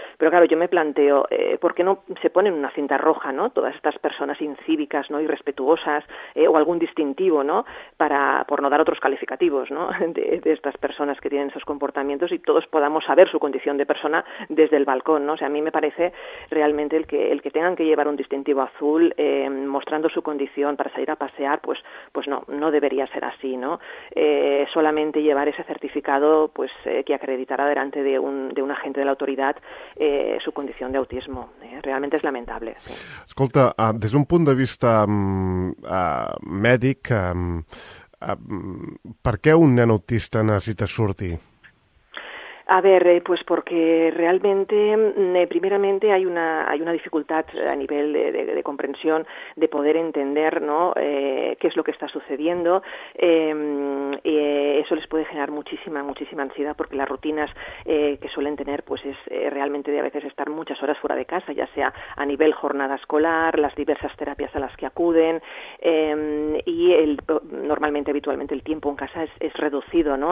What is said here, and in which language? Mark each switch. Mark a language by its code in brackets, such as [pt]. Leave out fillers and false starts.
[es] Pero claro, yo me planteo, ¿por qué no se ponen una cinta roja, ¿no?, todas estas personas incívicas, ¿no?, irrespetuosas, o algún distintivo, ¿no?, por no dar otros calificativos, ¿no?, de estas personas que tienen esos comportamientos y todos podamos saber su condición de persona desde el balcón, ¿no? O sea, a mí me parece realmente el que tengan que llevar un distintivo azul mostrando su condición para salir a pasear, pues no debería ser así, ¿no? Solamente llevar ese certificado pues que acreditará delante de un agente de la autoridad su condición de autismo. Realmente es lamentable. Sí. [ca] Escolta, des d'un punt de vista mèdic, ¿per què un nen autista necessita sortir? [es] A ver, pues porque realmente, primeramente hay una dificultad a nivel de comprensión, de poder entender, ¿no?, qué es lo que está sucediendo. Eso les puede generar muchísima, muchísima ansiedad, porque las rutinas que suelen tener, pues es realmente de a veces estar muchas horas fuera de casa, ya sea a nivel jornada escolar, las diversas terapias a las que acuden, y habitualmente el tiempo en casa es reducido, ¿no?